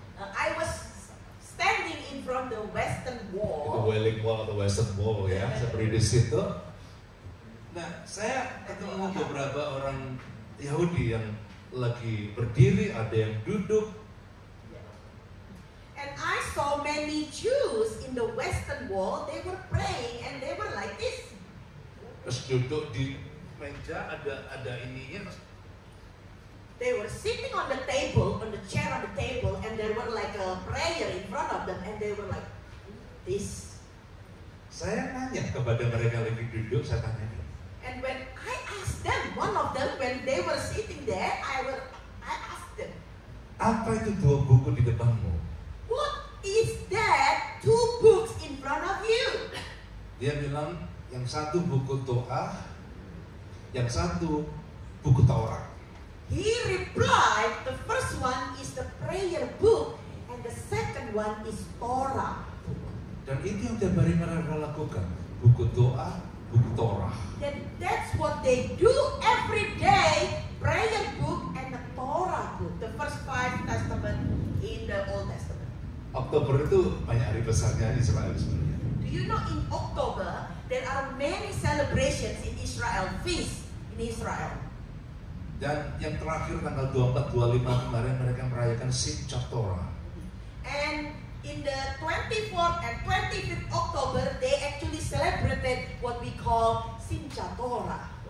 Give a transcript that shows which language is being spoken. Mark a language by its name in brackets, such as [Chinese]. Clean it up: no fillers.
[English] I was standing in front of the Western Wall. The Wailing Wall, the Western Wall, ya. Yeah. [Indonesian] Saya berdiri di situ. Nah, saya ketemu beberapa orang Yahudi yang lagi berdiri, ada yang duduk. [English] And I saw many Jews in the Western Wall. They were praying and they were like this. [Indonesian] Terus duduk di meja, ada ininya. [English] They were sitting on the table, on the chair on the table, and there were like a prayer in front of them, and they were like this. [Indonesian] Saya nanya kepada mereka lagi duduk, saya tanya ini. [English] And when I asked them, one of them, when they were sitting there, I asked them. [Indonesian] Apa itu dua buku di depanmu? [English] What is that two books in front of you? [Indonesian] Dia bilang, yang satu buku doa, yang satu buku Taurat. [English] He replied, the first one is the prayer book, and the second one is Torah. [Indonesian] Dan itu yang tiap hari mereka lakukan, buku doa, buku Torah. [English] Then that's what they do every day, prayer book and the Torah book, the first five testament in the Old Testament. [Indonesian] Oktober itu banyak hari besarnya Israel sebenarnya. [English] Do you know in October there are many celebrations in Israel, feast in Israel. [Indonesian] Dan yang terakhir tanggal 24-25 kemarin mereka merayakan Simchat Torah. [English] And in the 24th and 25th October they actually celebrated what we call Simchat Torah.